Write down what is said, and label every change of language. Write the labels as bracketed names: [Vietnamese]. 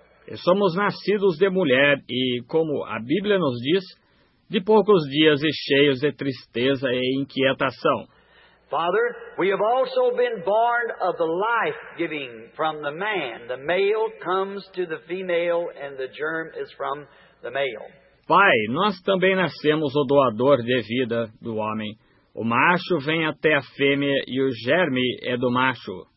[Portuguese] E somos nascidos de mulher, e como a Bíblia nos diz, de poucos dias e cheios de tristeza e inquietação. [English] Father, we have also been born of the life-giving from the man. The male comes to the female and the germ is from the male. [Portuguese] Pai, nós também nascemos o doador de vida do homem. O macho vem até a fêmea e o germe é do macho.